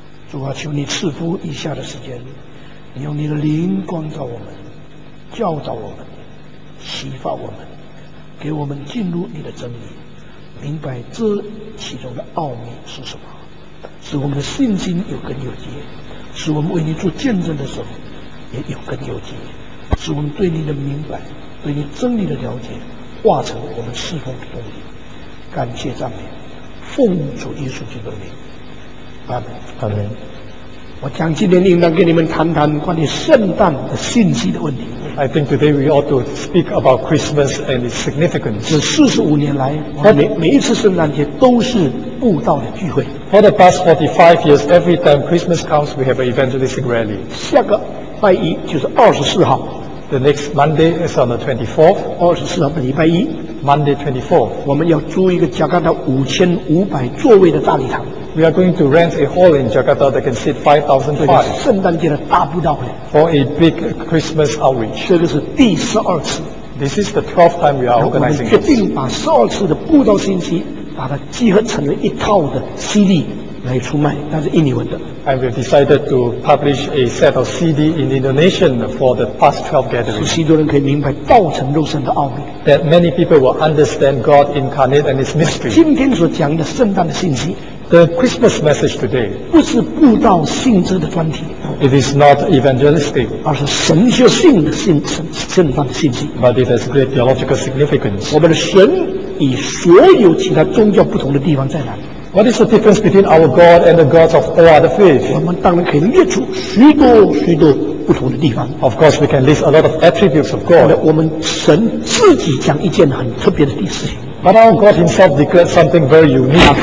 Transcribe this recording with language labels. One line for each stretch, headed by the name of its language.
Chinese: 主啊，求你赐福以下的时间，你用你的灵光照我们，教导我们，启发我们，给我们进入你的真理，明白这其中的奥秘是什么，使我们的信心有根有基，使我们为你做见证的时候也有根有基，使我们对你的明白，对你真理的了解，化成我们侍奉的动力。感谢赞美，奉主耶稣基督的名，阿门，阿门。我讲今天应当跟你们谈谈关于圣诞的信息的问题。
English: I think today we ought to speak about Christmas and its significance.
Chinese: 这45年来，每一次圣诞节都是布道的聚会。
English: For the past 45 years, every time Christmas comes, we have an evangelistic rally.
Chinese: 下个拜一就是24号。
English: The next Monday is on the 24th.
Chinese: 24号礼拜一。
English: Monday 24th.
Chinese: 我们要租一个加拿大5500座位的大礼堂。
English: We are going to rent a hall in Jakarta that can seat 5,500.
Chinese: 圣诞节的大布道会。
English: For a big Christmas outreach.
Chinese: 这个是第十二次。
English: This is the 12th time we are organizing this.
Chinese: 我们决定把十二次的布道信息把它集合成了一套的 CD 来出卖，但是印尼文的。
English: And we've decided to publish a set of CD in Indonesian for the past 12 gatherings.
Chinese: 使许多人可以明白道成肉身的奥秘。
English: That many people will understand God incarnate and His mystery.
Chinese: 今天所讲的圣诞的信息。
English: The Christmas message today
Chinese: 不是布道性质的专题，
English: It is not evangelistic，
Chinese: 而是神学性的圣诞信息。
English: But it has great theological significance。
Chinese: 我们的神与所有其他宗教不同的地方在哪里？
English: What is the difference between our God and the gods of all other faiths？
Chinese: 我们当然可以列出许多许多不同的地方。
English: Of course, we can list a lot of attributes of God。
Chinese: 我们神自己讲一件很特别的事情。
English: But our God Himself declared something very unique.